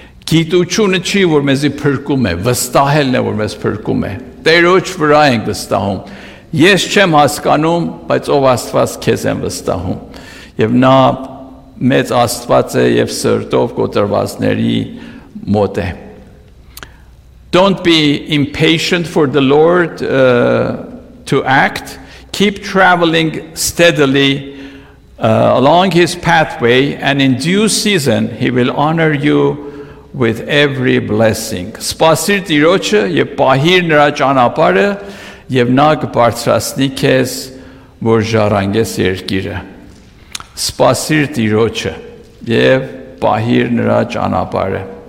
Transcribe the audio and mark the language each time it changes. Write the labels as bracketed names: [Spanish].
[Armenian] գիտությունը չի, որ մեզի փրկում է, վստահելն է, որ մեզ փրկում է, տերոջ վրա ենք վստահում, ես չեմ հասկանում, բայց ով Աստված քեզ են վստահում, և նա մեծ Աստված է և սրտով կոտրվածների մոտ է։ [English] Don't be impatient for the Lord to act. Keep traveling steadily along His pathway, and in due season He will honor you with every blessing. [Armenian] Սպասիր տիրոջը և պահիր նրա ճանապարհը, և նա կբարձրացնի քեզ, որ ժառանգես երկիրը. Սպասիր տիրոջը և պահիր նրա ճանապարհը.